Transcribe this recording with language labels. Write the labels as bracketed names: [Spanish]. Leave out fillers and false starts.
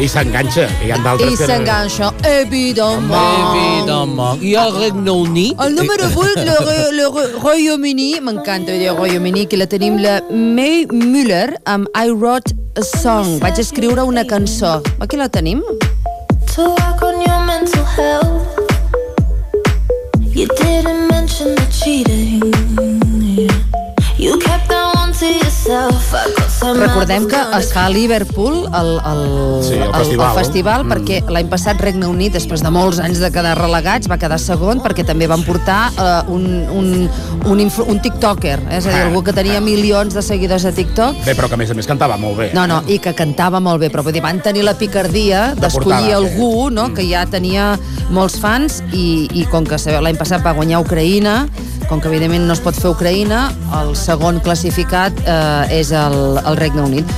[Catalan] I s'enganxa, hi ha d'altres que... I s'enganxa, evidentment. I el Regne Unit. El número 8, le Royaume-Uni, m'encanta dir Royaume-Uni, que la tenim la May Müller amb I Wrote a Song. Vaig escriure una cançó. Aquí la tenim. [English] To work on your mental health. You didn't mention the cheating. You kept that one to yourself. I got some. [Catalan] Recordem que es fa a Liverpool el festival perquè l'any passat Regne Unit, després de molts anys de quedar relegats, va quedar segon perquè també van portar un tiktoker, és a dir, algú que tenia milions de seguidors a TikTok. Bé, però que a més cantava molt bé. No, i que cantava molt bé, però vull dir, van tenir la picardia d'escollir algú, no?, que ja tenia molts fans i com que sabeu, l'any passat va guanyar Ucraïna, com que evidentment no es pot fer Ucraïna, el segon classificat és el Regne Unit.